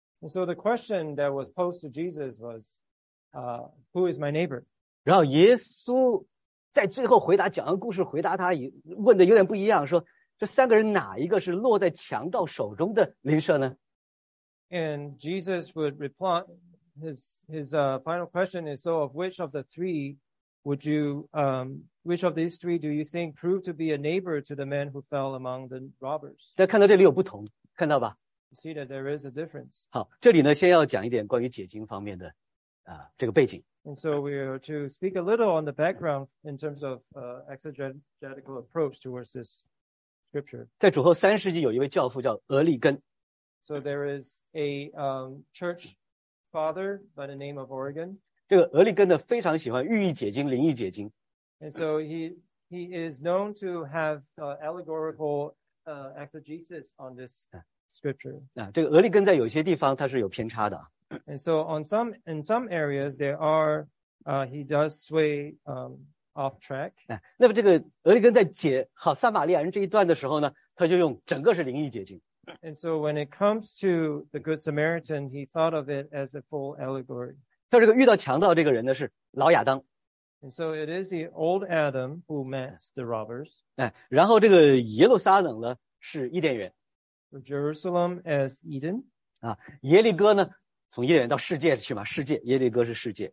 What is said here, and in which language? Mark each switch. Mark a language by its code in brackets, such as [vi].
[en] So the question that was posed to Jesus was, who is my neighbor? [zh] 然后耶稣在最后回答讲完故事回答他, 问的有点不一样, 说, 这三个人哪一个是落在强盗手中的邻舍呢? [en] And Jesus would reply, his final question is, so of which of the three would you, which of these three do you think proved to be a neighbor to the man who fell among the robbers? [zh] 但看到这里有不同, 看到吧? [en] You see that there is a difference. [zh] 好, 这里呢, 先要讲一点关于解经方面的, 啊, 这个背景。 [en] And so we are to speak a little on the background in terms of, exegetical approach towards this scripture. [zh] 在主后三世纪有一位教父叫俄利根。 [en] So there is a church father by the name of Oregon. [zh] 这个俄利根的非常喜欢寓意解经、灵异解经。 [en] And so he is known to have allegorical exegesis on this scripture. [zh] 这个俄利根在有些地方他是有偏差的。 [en] And so in some areas there are he does sway off track. [zh] 那么这个俄利根在解好撒玛利亚人这一段的时候呢，他就用整个是灵异解经。 [en] And so when it comes to the Good Samaritan, he thought of it as a full allegory. [zh] 他这个遇到强盗这个人呢是老亚当。 [en] And so it is the old Adam who met the robbers. [zh] 然后这个耶路撒冷呢是伊甸园。 [en] Jerusalem as Eden. [zh] 耶利哥呢从伊甸园到世界去嘛，世界，耶利哥是世界。